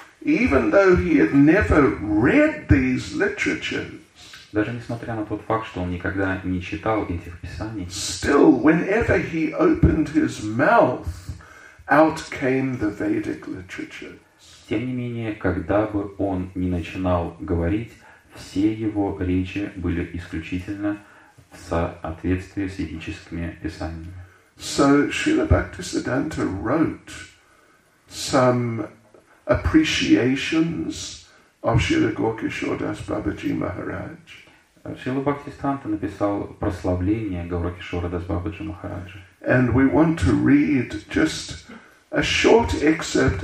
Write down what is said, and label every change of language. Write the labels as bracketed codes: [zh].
[en] even though he had never read these literatures, [ru] даже несмотря на тот факт, что он никогда не читал этих писаний, [en] still, whenever he opened his mouth, out came the Vedic literatures. [ru] Тем не менее, когда бы он ни начинал говорить, все его речи были исключительно в соответствии с ведическими писаниями. [en] So Srila Bhaktisiddhanta wrote some appreciations of Srila Gaurakishordas Babaji Maharaj. [ru] Шрила Бхактисиддханта написал прославление Гаурикишордас Бабаджи Махараджа. [en] And we want to read just a short excerpt.